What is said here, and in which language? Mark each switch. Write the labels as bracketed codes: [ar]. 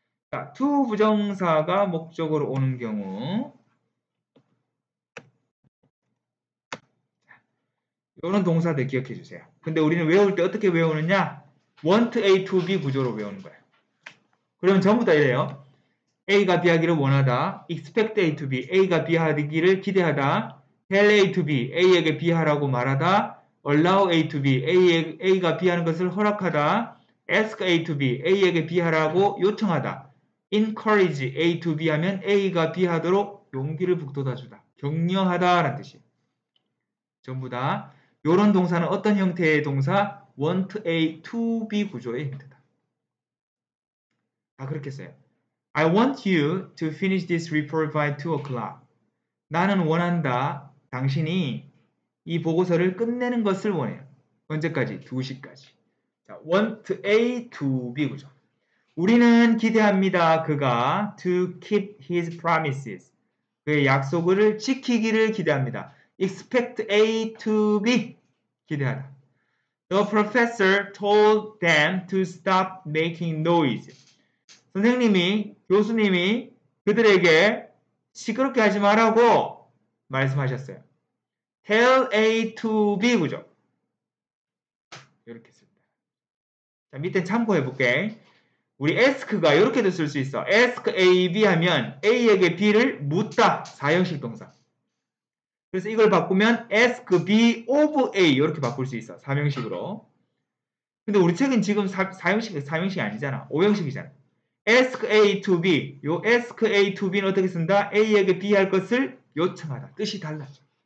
[ko] 자, to 부정사가 목적으로 오는 경우 이런 동사들 기억해 주세요. 근데 우리는 외울 때 어떻게 외우느냐? [en] want A to B [ko] 구조로 외우는 거예요. 그러면 전부 다 이래요. A가 B 하기를 원하다. [en] expect A to B. [ko] A가 B 하기를 기대하다. [en] tell A to B. [ko] A에게 B 하라고 말하다. [en] allow A to B. [ko] A가 B 하는 것을 허락하다. [en] ask A to B. [ko] A에게 B 하라고 요청하다. [en] encourage A to B [ko] 하면 A가 B 하도록 용기를 북돋아주다. 격려하다라는 뜻이에요. 전부 다. 요런 동사는 어떤 형태의 동사? [en] want A to B [ko] 구조의 형태다. 다 그렇게 써요. [en] I want you to finish this report by 2 o'clock. [ko] 나는 원한다. 당신이 이 보고서를 끝내는 것을 원해요. 언제까지? 2시까지. 자, [en] want A to B [ko] 구조. 우리는 기대합니다. 그가 [en] to keep his promises. [ko] 그의 약속을 지키기를 기대합니다. [en] expect A to B. [ko] 기대하다. [en] The professor told them to stop making noise. [ko] 선생님이, 교수님이 그들에게 시끄럽게 하지 말라고 말씀하셨어요. [en] Tell A to B 구조. [ko] 이렇게 씁니다. 자, 밑에 참고해 볼게. 우리 ask가 이렇게도 쓸수 있어. [en] ask A, B [ko] 하면 A에게 B를 묻다. 사형식 동사. 그래서 이걸 바꾸면 [en] ask B of A [ko] 이렇게 바꿀 수 있어. 3형식으로. 근데 우리 책은 지금 4형식이 아니잖아. 5형식이잖아. [en] ask A to B. [ko] 요 [en] ask A to B [ko] 는 어떻게 쓴다? A에게 B 할 것을 요청하다. 뜻이 달라져.